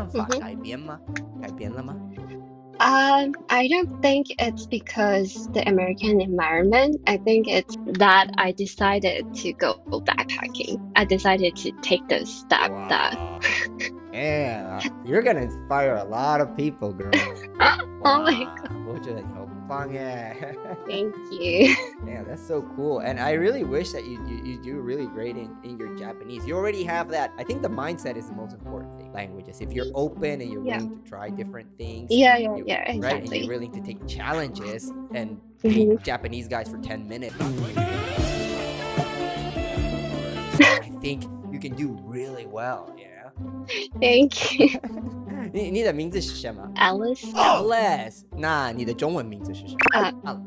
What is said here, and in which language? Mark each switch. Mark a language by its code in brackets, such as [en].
[zh] 你觉得你来美国，你的想法改变吗？改变了吗？ [en] I don't think it's because the American environment. I think it's that I decided to go backpacking. I decided to take the step. Wow. That. Yeah, you're gonna inspire a lot of people, girl. Wow. Oh my god. [zh] 我觉得你好棒耶. [en] Thank you. Yeah, that's so cool. And I really wish that you do really great in your Japanese. You already have that. I think the mindset is the most important thing. Languages. If you're open and you're willing to try different things. Yeah, exactly. Right, and you're willing to take challenges and meet Japanese guys for 10 minutes. I think you can do really well, yeah? Thank you. [zh] 你的名字是什么? [en] Alice. Alice. [zh] 那你的中文名字是什么?